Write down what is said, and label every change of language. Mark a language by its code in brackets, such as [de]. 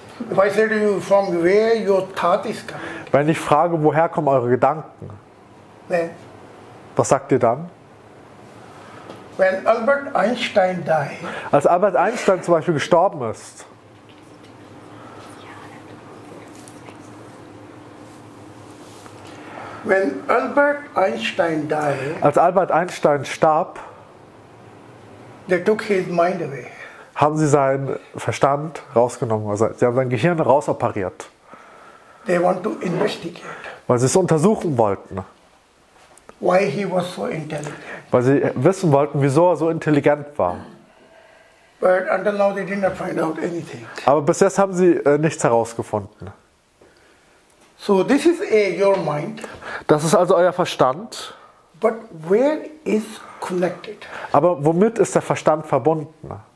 [en] If I say to you, from where your thought is coming. [de] Wenn ich frage, woher kommen eure Gedanken? [en] Then, [de] was sagt ihr dann? [en] When Albert Einstein died, [de] als Albert Einstein zum Beispiel gestorben ist, [en] when Albert Einstein died, [de] als Albert Einstein starb, [en] they took his mind away. [de] Haben sie seinen Verstand rausgenommen, also sie haben sein Gehirn rausoperiert. [en] They want to investigate. [de] Weil sie es untersuchen wollten. [en] Why he was so intelligent. [de] Weil sie wissen wollten, wieso er so intelligent war. [en] But until now they didn't find out anything. [de] Aber bis jetzt haben sie nichts herausgefunden. [en] So this is your mind. [de] Das ist also euer Verstand. [en] But where is connected? [de] Aber womit ist der Verstand verbunden?